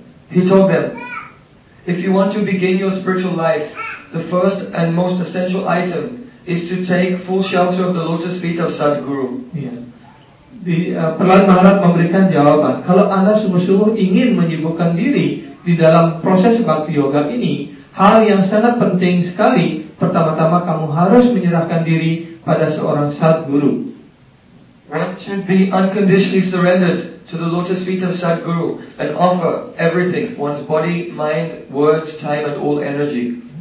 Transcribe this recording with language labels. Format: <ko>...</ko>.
<en>He told them, "If you want to begin your spiritual life, the first and most essential item is to take full shelter of the lotus feet of Sadhguru." Yeah.</en> <id>Prahlad Maharaj memberikan jawaban, "Kalau Anda sungguh-sungguh ingin menyibukkan diri di dalam proses bhakti yoga ini, hal yang sangat penting sekali, pertama-tama kamu harus menyerahkan diri pada seorang Sadhguru."</id> <en>"One should be unconditionally surrendered to the lotus feet of Sadhguru and offer everything, one's body, mind, words, time and all energy."</en>